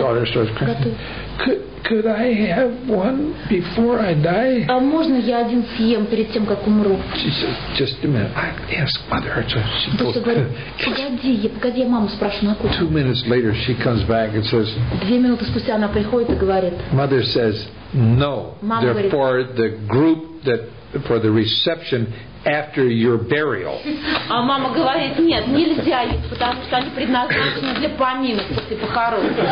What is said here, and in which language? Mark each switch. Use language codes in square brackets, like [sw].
[en] daughter starts crying. Could I have one before I die? [ru] А можно я один съем перед тем, как умру? [en] She says, just a minute. I ask mother. [ru] Погоди, я маму спрошу на кухне. [en] 2 minutes later, she comes back and says. [ru] 2 минуты спустя она приходит и говорит. [en] Mother says, no. [ru] Мама [en] therefore, [ru] говорит, [en] the group that for the reception after your burial. [ru] А мама говорит, нет, нельзя их, потому что они предназначены для поминок после похорон.